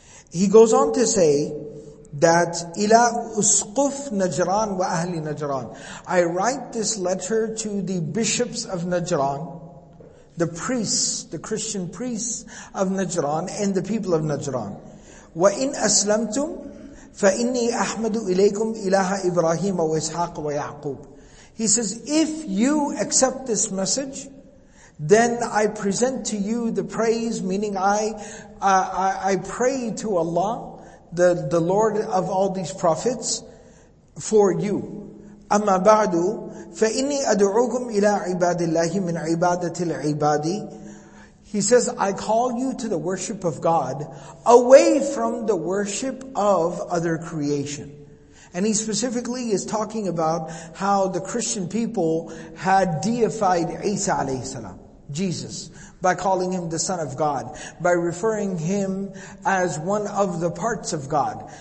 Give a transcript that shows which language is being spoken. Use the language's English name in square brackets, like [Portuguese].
[English] He goes on to say that [Arabic] ila usquf Najran wa ahli Najran. [English] I write this letter to the bishops of Najran, the priests, the Christian priests of Najran and the people of Najran. [Arabic] وَإِنْ أَسْلَمْتُمْ فَإِنِّي أَحْمَدُ إِلَيْكُمْ إِلَهَ إِبْرَاهِيمَ وَإِسْحَاقَ وَيَعْقُوبَ. [English] He says, if you accept this message, Then I present to you the praise, meaning I pray to Allah, the Lord of all these prophets, for you. [Arabic] أما بعد فإني أدعوكم إلى عباد الله من عبادة العباد. [English] He says, I call you to the worship of God away from the worship of other creation. And he specifically is talking about how the Christian people had deified Isa alayhi salam, Jesus, by calling him the Son of God, by referring him as one of the parts of God.